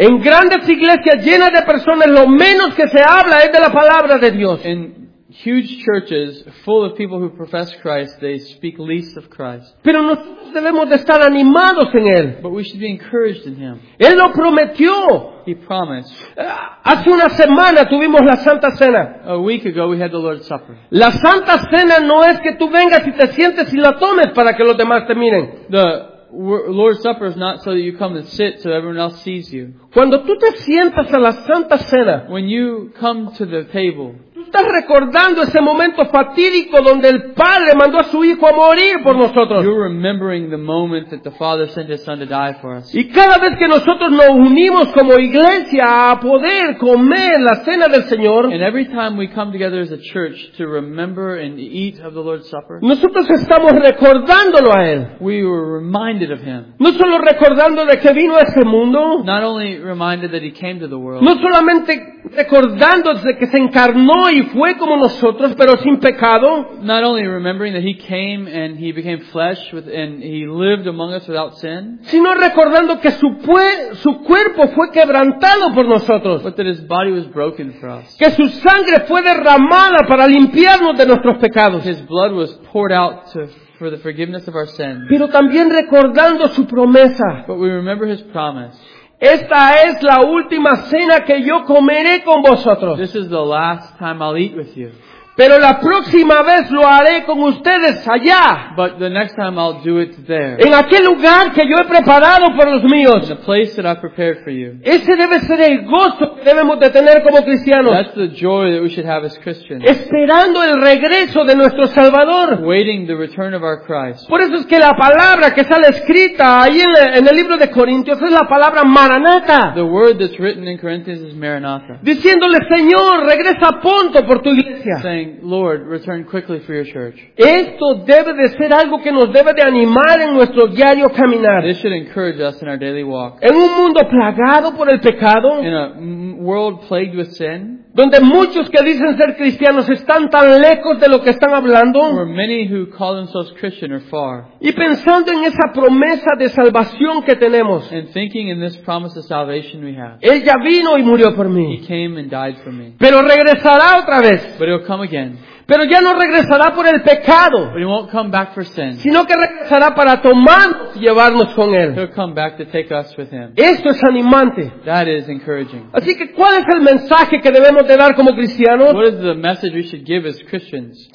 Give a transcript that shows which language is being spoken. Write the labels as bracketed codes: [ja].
[es] En grandes iglesias llenas de personas, lo menos que se habla es de la palabra de Dios. [en] In huge churches full of people who profess Christ, they speak least of Christ. [es] Pero nosotros debemos de estar animados en Él. [en] But we should be encouraged in Him. [es] Él lo prometió. [en] He promised. [es] Hace una semana tuvimos la Santa Cena. [en] A week ago we had the Lord's Supper. [es] La Santa Cena no es que tú vengas y te sientes y la tomes para que los demás te miren. [en] The Lord's Supper is not so that you come and sit so everyone else sees you. [es] Cuando tú te sientas a la Santa Cena, [en] when you come to the table, [es] estás recordando ese momento fatídico donde el Padre mandó a su Hijo a morir por nosotros. [en] You're remembering the moment that the Father sent His Son to die for us. [es] Y cada vez que nosotros nos unimos como iglesia a poder comer la cena del Señor, [en] and every time we come together as a church to remember and eat of the Lord's Supper, [es] nosotros estamos recordándolo a Él. [en] We were reminded of Him. [es] No solo recordando de que vino a este mundo, [en] not only reminded that He came to the world, [es] no solamente recordando de que se encarnó y fue como nosotros, pero sin pecado. [en] Not only remembering that He came and He became flesh with, and He lived among us without sin, [es] sino recordando que su cuerpo fue quebrantado por nosotros, [en] but that His body was broken for us, [es] que su sangre fue derramada para limpiarnos de nuestros pecados. [en] His blood was poured out for the forgiveness of our sins. [es] Pero también recordando su promesa. [en] But we remember His promise. [es] Esta es la última cena que yo comeré con vosotros. [en] This is the last time I'll eat with you. [es] Pero la próxima vez lo haré con ustedes allá. [en] But the next time I'll do it there. [es] En aquel lugar que yo he preparado para los míos. [en] In the place that I've prepared for you. [es] Ese debe ser el gozo que debemos de tener como cristianos. [en] That's the joy that we should have as Christians. [es] Esperando el regreso de nuestro Salvador. [en] Waiting the return of our Christ. [es] Por eso es que la palabra que sale escrita ahí en el libro de Corintios es la palabra Maranata. [en] The word that's written in Corinthians is Maranatha. [es] Diciéndole, Señor, regresa pronto por tu iglesia. [en] Lord, return quickly for your church. [es] Esto debe de ser algo que nos debe de animar en nuestro diario caminar. [en] This should encourage us in our daily walk. [es] En un mundo plagado por el pecado. [en] In a world plagued with sin. [es] Donde muchos que dicen ser cristianos están tan lejos de lo que están hablando. [en] Where many who call themselves Christian are far. [es] Y pensando en esa promesa de salvación que tenemos. [en] And thinking in this promise of salvation we have. [es] Él ya vino y murió por mí. [en] He came and died for me. [es] Pero regresará otra vez. [en] But he'll come again. [es] Pero ya no regresará por el pecado. [en] But he won't come back for sin. [es] Sino que regresará para tomarnos y llevarnos con él. [en] He'll come back to take us with him. [es] Esto es animante. [en] That is encouraging. [es] Así que, ¿cuál es el mensaje que debemos de dar como cristianos? [en] What is the message we should give as Christians?